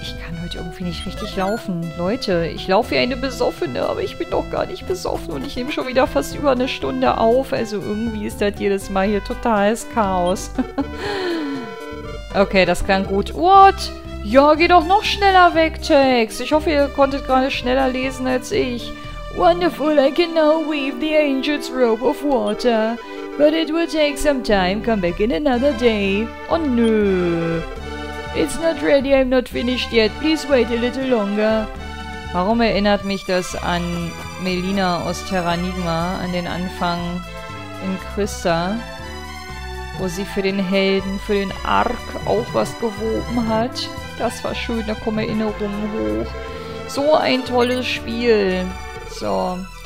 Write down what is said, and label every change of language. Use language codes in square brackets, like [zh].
[de] Ich kann heute irgendwie nicht richtig laufen. Leute, ich laufe wie eine Besoffene, aber ich bin doch gar nicht besoffen und ich nehme schon wieder fast über eine Stunde auf. Also irgendwie ist das jedes Mal hier totales Chaos. Okay, das klang gut. [en] What? [de] Ja, geh doch noch schneller weg, Tex. Ich hoffe, ihr konntet gerade schneller lesen als ich. [en] Wonderful, I can now weave the angel's robe of water. But it will take some time, come back in another day. [de] Oh nö. [en] It's not ready, I'm not finished yet. Please wait a little longer. [de] Warum erinnert mich das an Melina aus Terranigma, an den Anfang in Krista, wo sie für den Helden, für den Ark auch was gewoben hat? Das war schön, da kommen Erinnerungen hoch. So ein tolles Spiel. So.